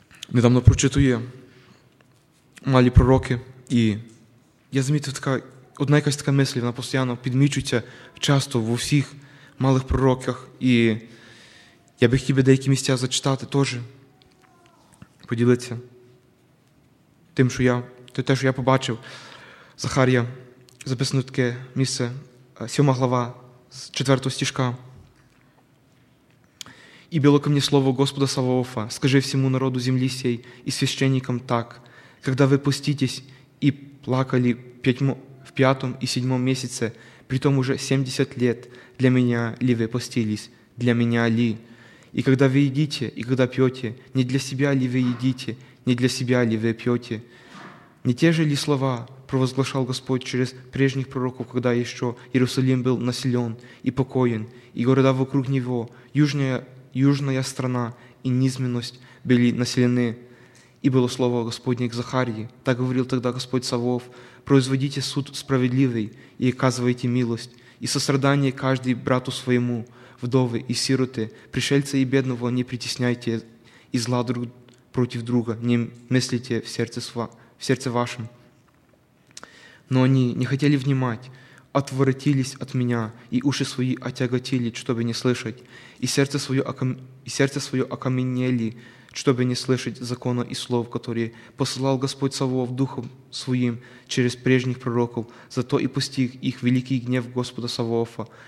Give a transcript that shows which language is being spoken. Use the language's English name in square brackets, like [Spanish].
[Ukrainian] Недавно прочитую «Малі пророки», і я замітив така, одна якась така мисль, вона постійно підмічується часто в усіх малих пророках, і я би хотів би деякі місця зачитати теж, поділитися тим, що я, те, що я побачив. Захарія, записано таке місце, 7 глава, 4 стіжка. «І було ко мені слово Господа Саваофа, скажи всьому народу землі сей і священникам так: [Russian] когда ви поститесь и плакали в пятом и седьмом месяце, при том уже 70 лет для меня ли вы постились, для меня ли? И когда вы едите, и когда пьете, не для себя ли вы едите, не для себя ли вы пьете? Не те же ли слова провозглашал Господь через прежних пророков, когда еще Иерусалим был населен и покоен, и города вокруг него, южная страна и низменность были населены? И было слово Господне к Захарии, так говорил тогда Господь Саваоф: производите суд справедливый и оказывайте милость, и сострадание каждый брату своему. [Ukrainian] Вдови і сироти, пришельця і бідного не притісняйте, і зла друг проти друга не мисліте в серце вашому. [Russian] Но они не хотели внимать, отворотились от меня, и уши свои отяготили, чтобы не слышать, и сердце свое окаменели, чтобы не слышать закона и слов, которые посылал Господь Саваоф духом своим через прежних пророков, зато и постиг их великий гнев Господа Саваофа.